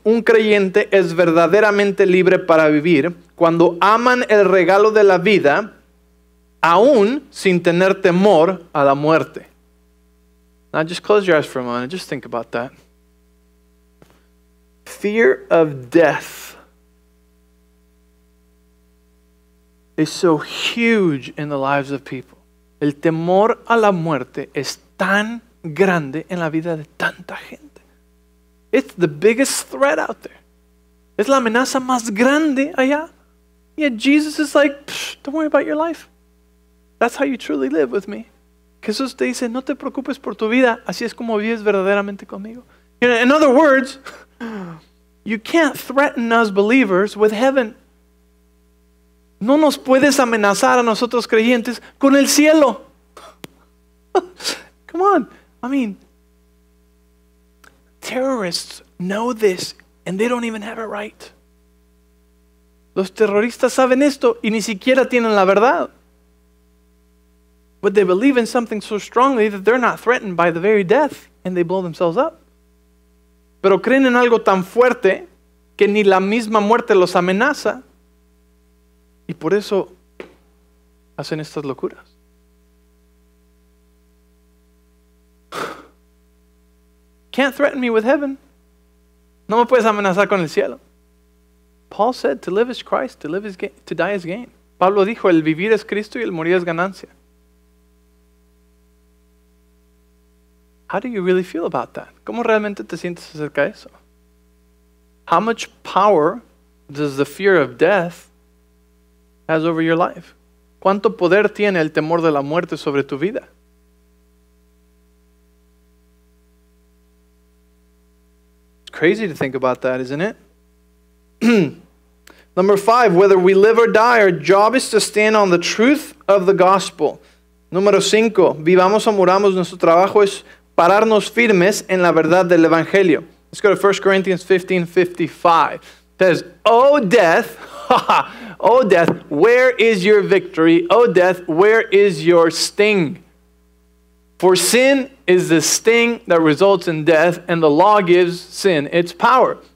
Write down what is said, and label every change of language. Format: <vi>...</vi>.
<es>Un creyente es verdaderamente libre para vivir cuando aman el regalo de la vida, aún sin tener temor a la muerte.</es> <en>Now just close your eyes for a moment. Just think about that. Fear of death is so huge in the lives of people.</en> <es>El temor a la muerte es tan grande en la vida de tanta gente.</es> <en>It's the biggest threat out there.</en> <es>Es la amenaza más grande allá.</es> <en>Yet Jesus is like, don't worry about your life. That's how you truly live with me.</en> <es>Jesús te dice, no te preocupes por tu vida. Así es como vives verdaderamente conmigo.</es> <en>In other words, you can't threaten us believers with heaven.</en> <es>No nos puedes amenazar a nosotros creyentes con el cielo.</es> <en>Come on. I mean, terrorists know this and they don't even have it right.</en> <es>Los terroristas saben esto y ni siquiera tienen la verdad.</es> <en>But they believe in something so strongly that they're not threatened by the very death and they blow themselves up.</en> <es>Pero creen en algo tan fuerte que ni la misma muerte los amenaza. Y por eso hacen estas locuras.</es> <en>Can't threaten me with heaven.</en> <es>No me puedes amenazar con el cielo.</es> <en>Paul said, to live is Christ, to live is gain, to die is gain.</en> <es>Pablo dijo, el vivir es Cristo y el morir es ganancia.</es> <en>How do you really feel about that?</en> <es>¿Cómo realmente te sientes acerca de eso?</es> <en>How much power does the fear of death has over your life?</en> <es>¿Cuánto poder tiene el temor de la muerte sobre tu vida?</es> <en>It's crazy to think about that, isn't it? Number five, whether we live or die, our job is to stand on the truth of the gospel.</en> <es>Número cinco, vivamos o muramos, nuestro trabajo es pararnos firmes en la verdad del evangelio.</es> <en>Let's go to 1 Corinthians 15:55. It says, oh death, oh death, where is your victory? Oh death, where is your sting? For sin is the sting that results in death, and the law gives sin its power.</en>